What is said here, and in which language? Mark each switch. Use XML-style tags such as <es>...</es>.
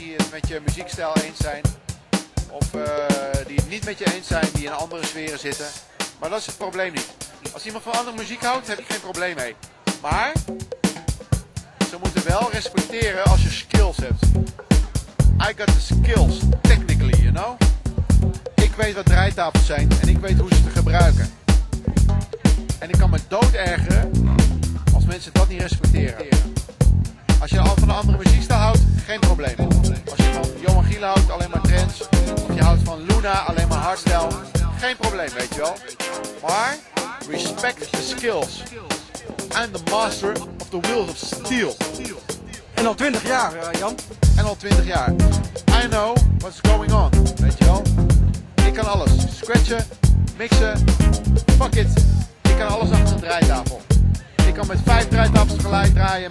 <nl>met je muziekstijl eens zijn. Of die het niet met je eens zijn, die in andere sferen zitten. Maar dat is het probleem niet. Als iemand van andere muziek houdt, heb ik geen probleem mee. Maar ze moeten wel respecteren als je skills hebt.</nl> <en>I got the skills, technically, you know.</en> <nl>Ik weet wat draaitafels zijn en ik weet hoe ze te gebruiken. En ik kan me dood ergeren als mensen dat niet respecteren. Als je van een andere muziekstijl houdt, geen probleem. Als je van Johan Giel houdt, alleen maar trance. Of je houdt van Luna, alleen maar hardstyle. Geen probleem, weet je wel. Maar</nl> <en>respect the skills. I'm the master of the wheels of steel.</en> <nl>En al 20 jaar, Jan. En al 20 jaar.</nl> <en>I know what's going on,</en> <nl>weet je wel. Ik kan alles. Scratchen, mixen, fuck it. Ik kan alles achter een draaitafel. Ik kan met 5 draaitafels tegelijk draaien.</nl>